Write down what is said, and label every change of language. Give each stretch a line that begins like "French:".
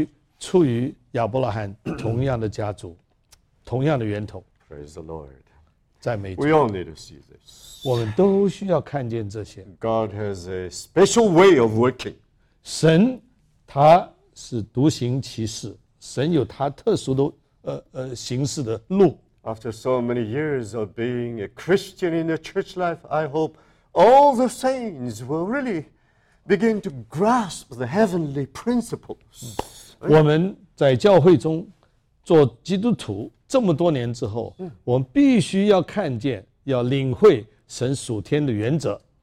Chinese: 因为以撒的心腹必须出于亚伯拉罕同样的家族, 同样的源头。
English: Praise the Lord.
Chinese: 赞美主。
English: We all need to see this.
Chinese: 我们都需要看见这些。
English: God has a special way of working.
Chinese: 神他是独行其事, 神有他特殊的形式的路。
English: After so many years of being a Christian in the church life, I hope all the saints will really begin to grasp the heavenly principles.
Chinese: 我们在教会中做基督徒这么多年之后, 我们必须要看见,要领会神属天的原则。